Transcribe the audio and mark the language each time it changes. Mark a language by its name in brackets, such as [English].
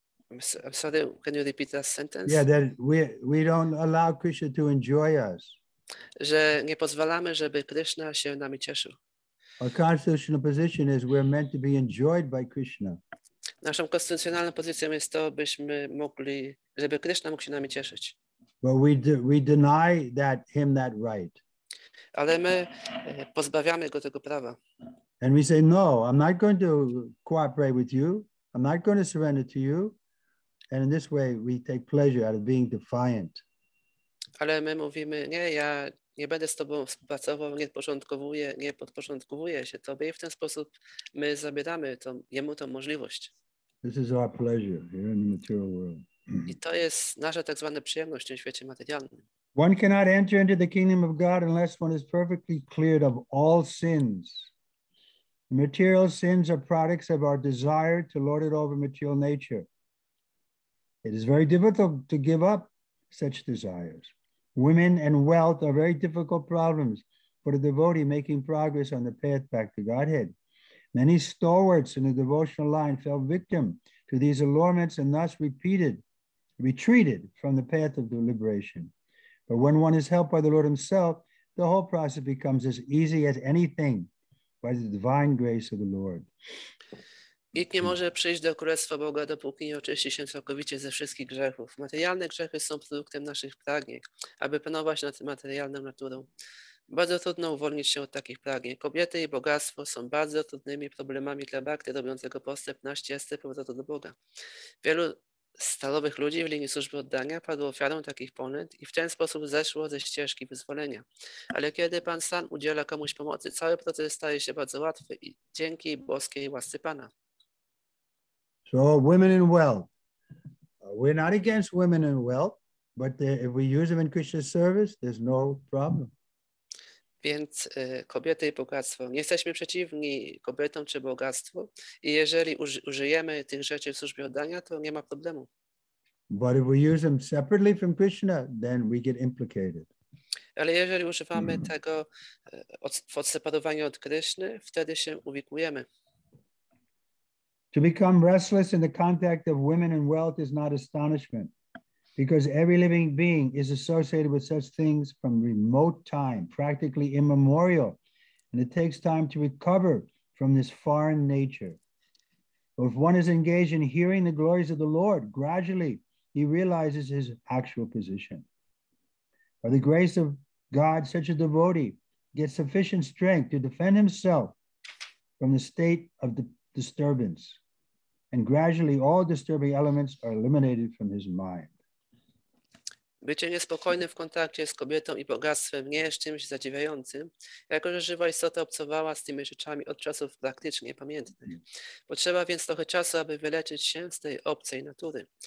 [English] I'm sorry, can you repeat that sentence? Yeah, that we don't allow Krishna to enjoy us. [Polish] Że nie pozwalamy, żeby Krishna się nami cieszył. [English] Our constitutional position is we're meant to be enjoyed by Krishna. [Polish] Naszą konstytucjonalną pozycją jest to, byśmy mogli, żeby Krishna mógł się nami cieszyć. [English] But we deny that him that right. [Polish] Ale my pozbawiamy go tego prawa. [English] And we say, no, I'm not going to cooperate with you. I'm not going to surrender to you. And in this way, we take pleasure out of being defiant. [Polish] Ale my mówimy, nie, ja nie będę z tobą współpracował, nie podporządkowuję się tobie. I w ten sposób my zabieramy jemu tą możliwość. [English] This is our pleasure here in the material world. [Polish] I to jest nasza tak zwana przyjemność w tym świecie materialnym. [English] One cannot enter into the kingdom of God unless one is perfectly cleared of all sins. Material sins are products of our desire to lord it over material nature. It is very difficult to give up such desires. Women and wealth are very difficult problems for the devotee making progress on the path back to Godhead. Many stalwarts in the devotional line fell victim to these allurements and thus retreated from the path of deliberation. But when one is helped by the Lord himself, the whole process becomes as easy as anything by the divine grace of the Lord. [Polish] Nikt nie może przyjść do Królestwa Boga, dopóki nie oczyści się całkowicie ze wszystkich grzechów. Materialne grzechy są produktem naszych pragnień, aby panować nad materialną naturą. Bardzo trudno uwolnić się od takich pragnień. Kobiety i bogactwo są bardzo trudnymi problemami dla bhakty robiącego postęp na ścieżce powrotu do Boga. Wielu stalowych ludzi w linii służby oddania padło ofiarą takich ponęt i w ten sposób zeszło ze ścieżki wyzwolenia. Ale kiedy Pan Sam udziela komuś pomocy, cały proces staje się bardzo łatwy i dzięki boskiej łasce Pana. [English] So women and wealth. We're not against women and wealth, but if we use them in Krishna's service, there's no problem. [Polish] Więc kobiety i bogactwo. Nie jesteśmy przeciwni kobietom czy bogactwu. I jeżeli użyjemy tych rzeczy w służbie oddania, to nie ma problemu. [English] But if we use them separately from Krishna, then we get implicated. [Polish] Ale jeżeli używamy tego w odseparowaniu od Kryszny, wtedy się uwikujemy. [English] To become restless in the contact of women and wealth is not astonishment, because every living being is associated with such things from remote time, practically immemorial, and it takes time to recover from this foreign nature. But if one is engaged in hearing the glories of the Lord, gradually he realizes his actual position. By the grace of God, such a devotee gets sufficient strength to defend himself from the state of disturbance. And gradually all disturbing elements are eliminated from his mind. [Polish] Bycie niespokojnym w kontakcie z kobietą i bogactwem nie jest czymś zadziwiającym, jako że żywa istota obcowała z tymi rzeczami od czasów praktycznie pamiętnych. Potrzeba więc trochę czasu, aby wyleczyć się z tej obcej natury.